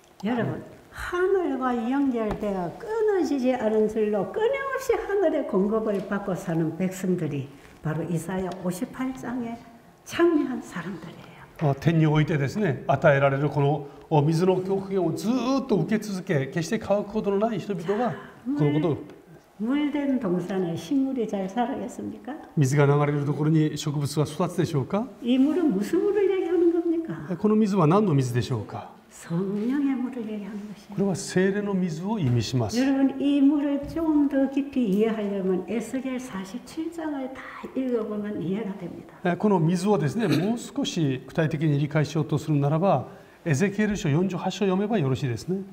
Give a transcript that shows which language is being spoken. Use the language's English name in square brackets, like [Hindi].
[Korean] 여러분하늘과연결되어끊어지지않은줄로끊임없이하늘의공급을받고사는백성들이바로이사야58장에참여한사람들이에요。 [Japanese] 天においてですね、与えられるこの水の供給をずっと受け続け、決して乾くことのない人々がこのことを。 [Korean] 물된동산에식물이잘자라겠습니까？ [Japanese] 水が流れるところに植物は育つでしょうか？ [Korean] 이물은무슨물을얘기하는겁니까？ [Japanese] この水は何の水でしょうか？ [Korean] 성령의물을얘기하는것입니다。 [Japanese] これは聖霊の水を意味します。 [Korean] 여러분이물을조금더깊이이해하려면에스겔47장을다읽어보면이해가됩니다。 [Japanese] この水をですね、もう少し具体的に理解しようとするならば、에스겔書48章読めばよろしいですね。